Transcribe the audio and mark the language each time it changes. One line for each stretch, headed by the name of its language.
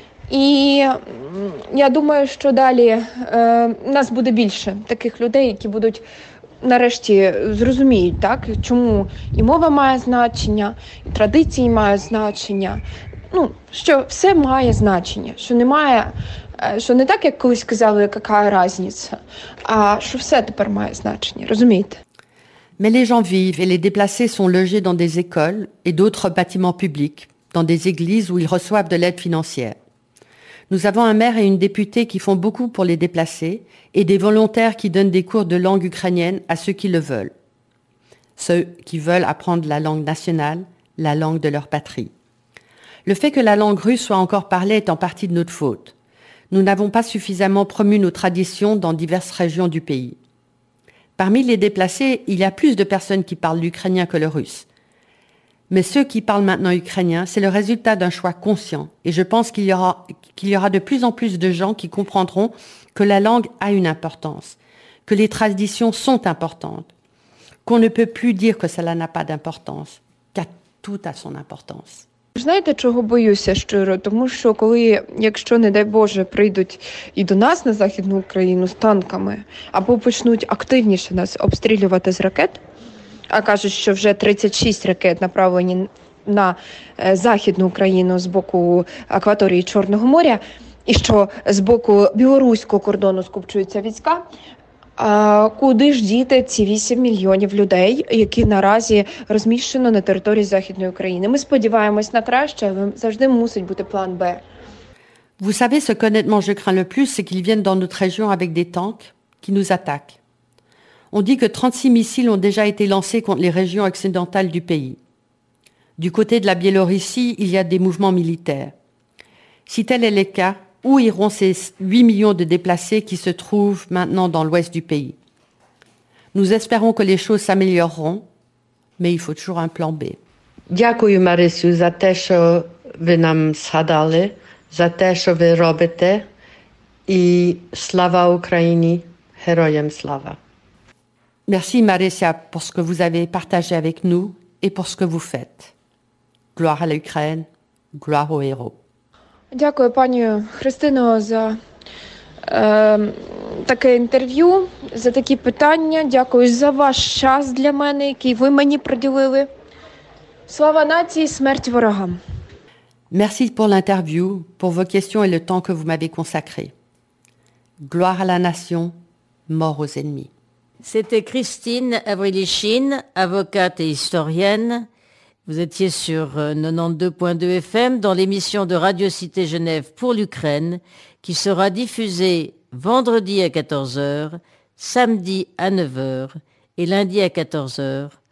Ukrainian: І я думаю, що далі нас буде більше таких людей, які будуть нарешті зрозуміють, так, чому і мова має значення, і традиції має значення. Ну, що все має значення, що немає... Що не так, як колись казали, яка різниця, а що все тепер має значення, розумієте?
French: Mais les gens vivent et les déplacés sont logés dans des écoles et d'autres bâtiments publics, dans des églises où ils reçoivent de l'aide financière. Nous avons un maire et une députée qui font beaucoup pour les déplacés et des volontaires qui donnent des cours de langue ukrainienne à ceux qui le veulent. Ceux qui veulent apprendre la langue nationale, la langue de leur patrie. Le fait que la langue russe soit encore parlée est en partie de notre faute. Nous n'avons pas suffisamment promu nos traditions dans diverses régions du pays. Parmi les déplacés, il y a plus de personnes qui parlent l'ukrainien que le russe. Mais ceux qui parlent maintenant ukrainien, c'est le résultat d'un choix conscient. Et je pense qu'il y aura de plus en plus de gens qui comprendront que la langue a une importance, que les traditions sont importantes, qu'on ne peut plus dire que cela n'a pas d'importance, car tout a son importance.
Ukrainian: Знаєте, чого боюся щиро? Тому що коли, якщо, не дай Боже, прийдуть і до нас на Західну Україну з танками, або почнуть активніше нас обстрілювати з ракет, а кажуть, що вже 36 ракет направлені на Західну Україну з боку акваторії Чорного моря, і що з боку білоруського кордону скупчуються війська, а куди ж діти ці 8 мільйонів людей, які наразі розміщено на території Західної України? Ми сподіваємось на краще, але завжди мусить бути план Б.
French: Vous savez, ce qu'honnêtement je crains le plus, c'est qu'ils viennent dans notre région avec des tanks qui nous attaquent. On dit que 36 missiles ont déjà été lancés contre les régions occidentales du pays. Du côté de la Biélorussie, il y a des mouvements militaires. Si tel est le cas, où iront ces 8 millions de déplacés qui se trouvent maintenant dans l'ouest du pays? Nous espérons que les choses s'amélioreront, mais il faut toujours un plan B.
Ukrainian: Дякую, Марисю, за те, що ви нам згадали, за те, що ви робите, і слава Україні, героям слава.
French: Merci, Marisa, pour ce que vous avez partagé avec nous et pour ce que vous faites. Gloire à l'Ukraine, gloire aux héros.
Ukrainian: Дякую, пані Христино, за таке інтерв'ю, за такі питання. Дякую за ваш час для мене, який ви мені приділили. Слава нації, смерть ворогам.
French: Merci pour l'interview, pour vos questions et le temps que vous m'avez consacré. Gloire à la nation, mort aux ennemis. C'était Christine Avrilichine, avocate et historienne. Vous étiez sur 92.2 FM dans l'émission de Radio Cité Genève pour l'Ukraine, qui sera diffusée vendredi à 14h, samedi à 9h et lundi à 14h.